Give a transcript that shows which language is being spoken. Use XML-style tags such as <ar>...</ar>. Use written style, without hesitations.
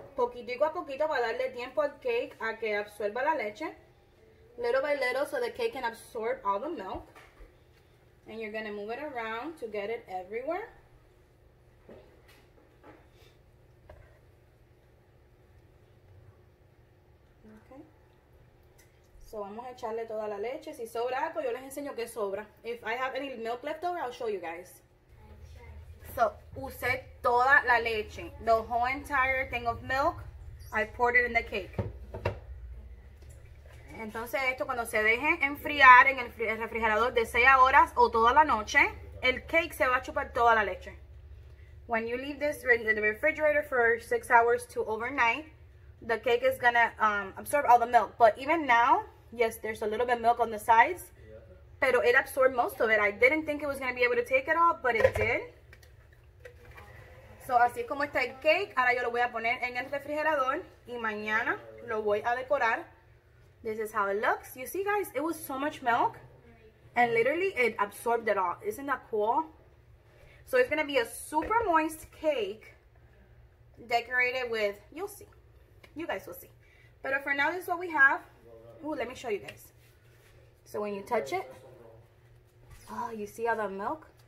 <es>Poquitico a poquito para darle tiempo al cake a que absorba la leche.</es> <en>Little by little so the cake can absorb all the milk. And you're going to move it around to get it everywhere.</en> <es>So, vamos a echarle toda la leche. Si sobra algo, yo les enseño que sobra.</es> <en>If I have any milk left over, I'll show you guys. So,</en> <es>usé toda la leche.</es> <en>The whole entire thing of milk, I poured it in the cake.</en> <es>Entonces, esto cuando se deje enfriar en el refrigerador de 6 horas o toda la noche, el cake se va a chupar toda la leche.</es> <en>When you leave this in the refrigerator for 6 hours to overnight, the cake is gonna absorb all the milk. But even now, yes, there's a little bit of milk on the sides. Pero it absorbed most of it. I didn't think it was gonna be able to take it all, but it did.</en> <es>So, así como está el cake, ahora yo lo voy a poner en el refrigerador y mañana lo voy a decorar.</es> <en>This is how it looks. You see, guys, it was so much milk and literally it absorbed it all. Isn't that cool? So, it's gonna be a super moist cake decorated with, you'll see. You guys will see. But for now, this is what we have. Ooh, let me show you guys. So when you touch it, oh, you see all the milk?</en>